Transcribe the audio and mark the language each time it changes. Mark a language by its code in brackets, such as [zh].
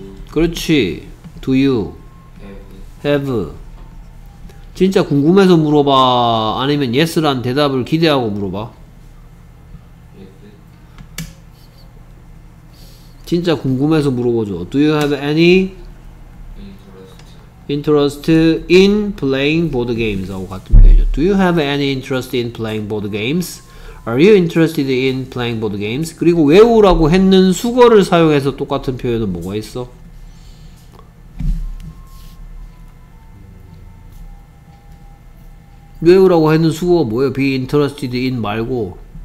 [ko] 그렇지. [en] do you have [ko] 진짜 궁금해서 물어봐 아니면 yes란 대답을 기대하고 물어봐? 진짜 궁금해서 물어보죠. [en] Do you have any interest in playing board games? [ko] 하고 같은 표현이죠. [en] Do you have any interest in playing board games? Are you interested in playing board games? [ko] 그리고 외우라고 했는 수거를 사용해서 똑같은 표현은 뭐가 있어? 외우라고 했는 수거가 뭐예요? [en] Be interested in 말고.